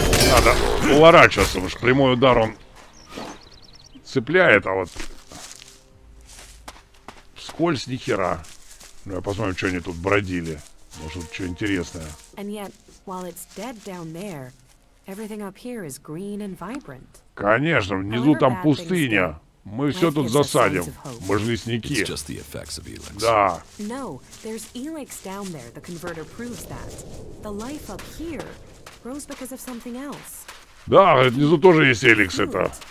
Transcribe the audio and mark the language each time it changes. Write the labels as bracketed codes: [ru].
[ru] Надо уворачиваться, потому что прямой удар он цепляет, а вот вскользь ни хера. Ну, я посмотрю, что они тут бродили. Может, тут что интересное. [en] And yet, while it's dead down there, everything up here is green and vibrant. [ru] Конечно, внизу там пустыня. Мы все тут засадим. Мы же лесники. [en] It's just the effects of Elix. [ru] Да. [en] No, there's Elix down there. The converter proves that. The life up here grows because of something else. [ru] Да, внизу тоже есть Elix это.